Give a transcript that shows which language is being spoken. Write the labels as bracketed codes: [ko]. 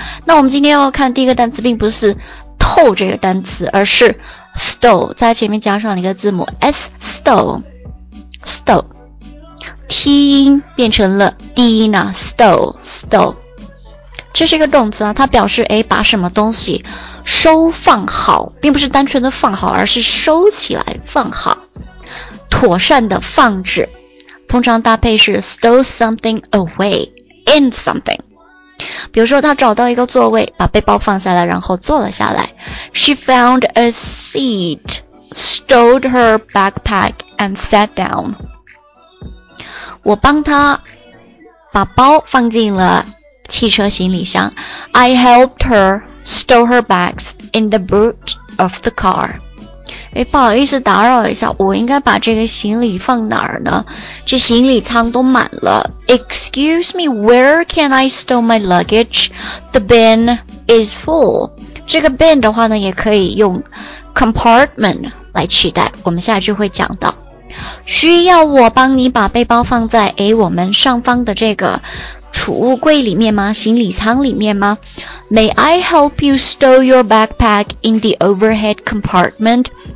[zh] 那我们今天要看第一个单词并不是tow 这个单词，而是 stow 在前面加上了一个字母 s，stow，stow， 梯音变成了低音呢 ，stow，stow， 这是一个动词啊，它表示把什么东西收放好，并不是单纯的放好，而是收起来放好，妥善的放置，通常搭配是 [en] stow something away in something。 [zh] 比如说他找到一个座位，把背包放下来，然后坐了下来。 [en] She found a seat, stowed her backpack and sat down. [zh] 我帮他把包放进了汽车行李箱。 [en] I helped her stow her bags in the boot of the car. [zh] 哎，不好意思打扰一下，我应该把这个行李放哪儿呢？这行李舱都满了。 [en] Excuse me, where can I store my luggage? The bin is full. [zh] 这个 bin 的话呢，也可以用 compartment 来取代，我们下一句会讲到。需要我帮你把背包放在我们上方的这个储物柜里面吗？行李舱里面吗？ [en] May I help you stow your backpack in the overhead compartment?